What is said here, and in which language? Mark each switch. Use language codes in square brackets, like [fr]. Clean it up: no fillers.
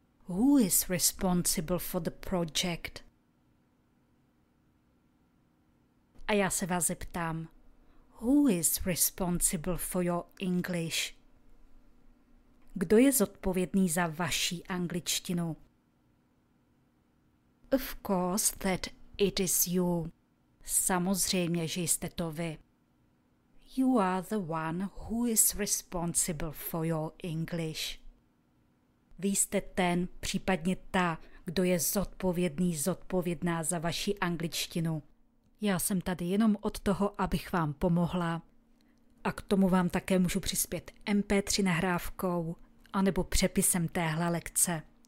[en] Who is responsible for the project? [cs] A já se vás zeptám. [en] Who is responsible for your English? [cs] Kdo je zodpovědný za vaši angličtinu? [en] Of course that it is you. [cs] Samozřejmě, že jste to vy. [en] You are the one who is responsible for your English. [cs] Vy jste ten, případně ta, kdo je zodpovědná za vaši angličtinu. Já jsem tady jenom od toho, abych vám pomohla. A k tomu vám také můžu přispět MP3 nahrávkou anebo přepisem téhle lekce.